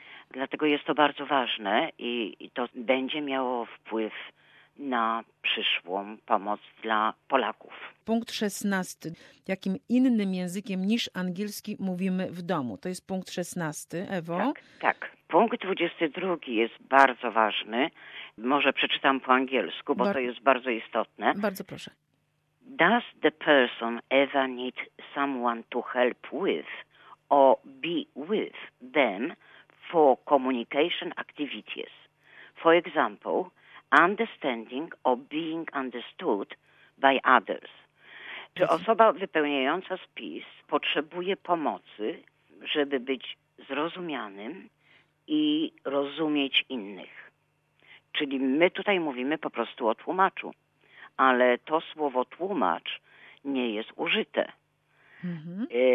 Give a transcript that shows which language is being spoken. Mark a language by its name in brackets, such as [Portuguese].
[Polish] Dlatego jest to bardzo ważne i to będzie miało wpływ na przyszłą pomoc dla Polaków. Punkt 16. Jakim innym językiem niż angielski mówimy w domu? To jest punkt 16, Ewo. Tak. Punkt 22 jest bardzo ważny. Może przeczytam po angielsku, bo to jest bardzo istotne. Bardzo proszę. [English] Does the person ever need someone to help with or be with them for communication activities? For example, understanding or being understood by others. [Polish] Czy osoba wypełniająca spis potrzebuje pomocy, żeby być zrozumianym i rozumieć innych? Czyli my tutaj mówimy po prostu o tłumaczu, ale to słowo tłumacz nie jest użyte. Mm-hmm.